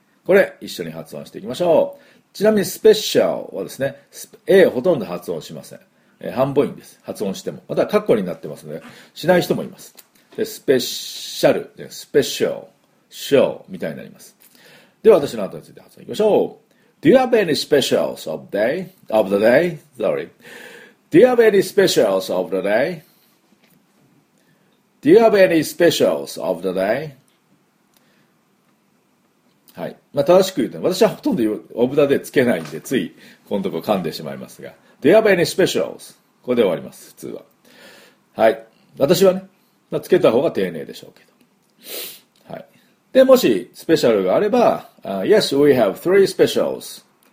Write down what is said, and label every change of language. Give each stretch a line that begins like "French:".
Japanese: これ、一緒に発音していきましょう。ちなみにスペシャルはですね、A ほとんど発音しません。半母音です。発音しても。またはカッコになってますので、しない人もいます。で、スペシャル、スペシャル、ショーみたいになります。では私の後について発音いきましょう。
English: Do you have any specials of the day? Of the day? Sorry. Do you have any specials of the day? Do you have any specials of the day?
Japanese: はい。まあ、正しく言うと、私はほとんどオブダでつけないんで、つい、このとこ噛んでしまいますが。
English: Do you have any specials?
Japanese: ここで終わります、普通は。はい。私はね、まあ、つけた方が丁寧でしょうけど。はい。で、もし、スペシャルがあれば、
English: Yes, we have three specials.